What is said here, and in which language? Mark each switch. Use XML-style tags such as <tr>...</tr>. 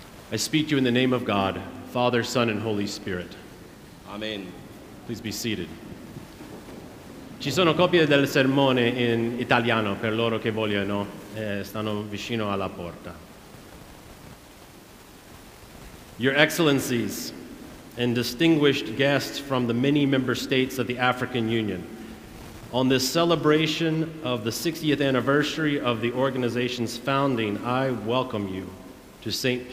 <en>I speak to you in the name of God, Father, Son, and Holy Spirit. Amen. Please be seated.</en> <it>Ci sono copie del sermone in italiano per loro che vogliono, stanno vicino alla porta.</it> <en>Your Excellencies and distinguished guests from the many member states of the African Union, on this celebration of the 60th anniversary of the organization's founding, I welcome you to St.</en>